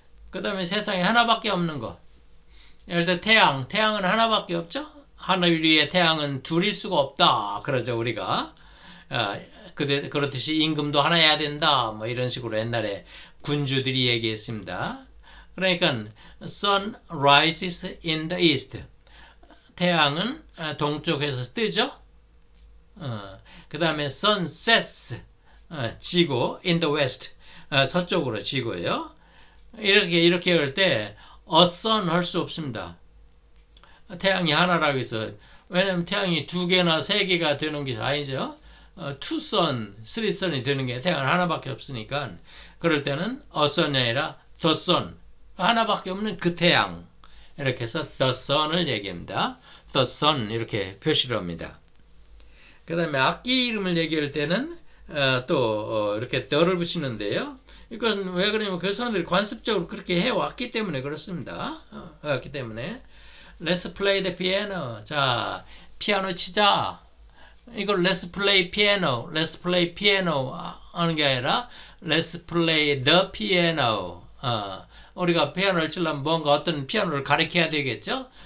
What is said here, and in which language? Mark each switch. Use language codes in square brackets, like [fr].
[ko] 그 다음에 세상에 하나밖에 없는 거. 예를 들어 태양은 하나밖에 없죠. 하늘 위에 태양은 둘일 수가 없다 그러죠. 우리가 그렇듯이 임금도 하나야 된다 뭐 이런 식으로 옛날에 군주들이 얘기했습니다. [en] 그러니까 sun rises in the east. [ko] 태양은 동쪽에서 뜨죠. 그 다음에 [en] sun sets [ko] 지고 [en] in the west [ko] 서쪽으로 지고요. 이렇게 할 때 a sun 할 수 없습니다. 태양이 하나라고 해서 왜냐면 태양이 두 개나 세 개가 되는 게 아니죠. 투 선, 쓰리 선이 되는 게 태양은 하나밖에 없으니까 그럴 때는 어 선이 아니라 더 선, 하나밖에 없는 그 태양 이렇게 해서 더 선을 얘기합니다. 더 선 이렇게 표시를 합니다. 그 다음에 악기 이름을 얘기할 때는 이렇게 더를 붙이는데요. 이건 왜 그러냐면 그 사람들이 관습적으로 그렇게 해왔기 때문에 그렇습니다. 해왔기 때문에 [en] Let's play the piano. [ko] 자, 피아노 치자. [en] 이걸 Let's play piano. Let's play piano [ko] 하는 게 아니라 [en] Let's play the piano. [ko] 우리가 피아노를 치려면 뭔가 어떤 피아노를 가르쳐야 되겠죠?